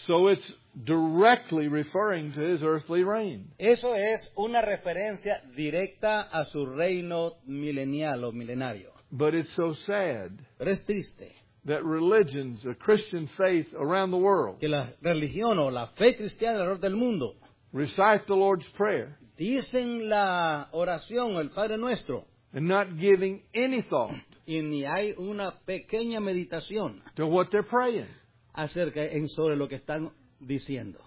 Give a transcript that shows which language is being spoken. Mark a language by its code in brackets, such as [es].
[en] So it's directly referring to his earthly reign. [es] Eso es una referencia directa a su reino milenial o milenario. [en] But it's so sad, [es] pero es triste, [en] that religions, a Christian faith around the world, [es] que la religión o la fe cristiana alrededor del mundo, [en] recite the Lord's Prayer, [es] dicen la oración, el Padre Nuestro, [en] and not giving any thought, [es] y ni hay una pequeña meditación, [en] to what they're praying, [es] acerca en sobre lo que están diciendo.